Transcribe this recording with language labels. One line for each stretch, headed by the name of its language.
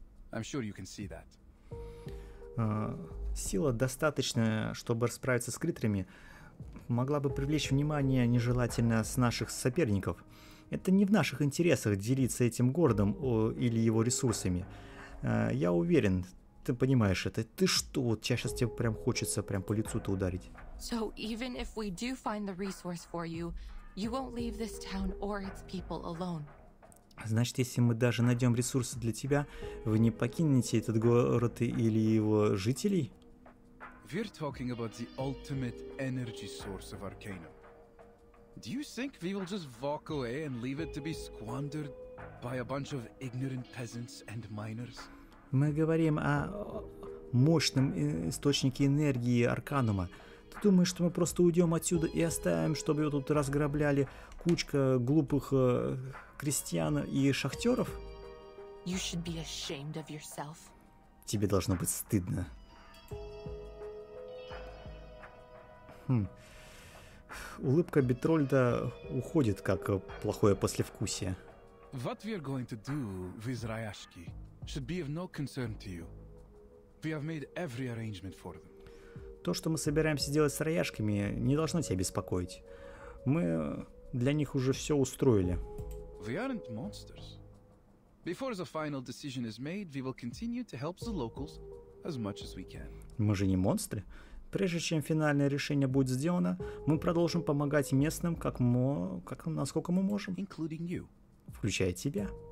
English: I'm sure you can see that.
Russian: Сила, достаточная, чтобы справиться с критерами, могла бы привлечь внимание нежелательно с наших соперников. Это не в наших интересах делиться этим городом или его ресурсами. Я уверен, ты понимаешь это. Ты что? Вот сейчас тебе прям хочется прям по лицу-то ударить.
English: So even if we do find the resource for you, you won't leave this town or its people alone.
Russian: Значит, если мы даже найдем ресурсы для тебя, вы не покинете этот город или его жителей?
English: We're talking about the ultimate energy source of Arcanum. Do you think we will just walk away and leave it to be squandered by a bunch of ignorant peasants and miners?
Russian: Мы говорим о мощном источнике энергии Арканума. Ты думаешь, что мы просто уйдем отсюда и оставим, чтобы ее тут разграбляли кучка глупых крестьян и шахтеров?
English: You should be ashamed of yourself.
Russian: Тебе должно быть стыдно. Улыбка Бетрольда уходит, как плохое послевкусие.
English: What we are going to do with Rayashki should be of no concern to you. We have made every arrangement for them.
Russian: То, что мы собираемся делать с Рояшками, не должно тебя беспокоить. Мы для них уже все устроили.
English: We aren't monsters. Before the final decision is made, we will continue to help the locals as much as we can.
Russian: Мы же не монстры. Прежде чем финальное решение будет сделано, мы продолжим помогать местным, как насколько мы можем.
English: Including you.
Russian: Включая тебя.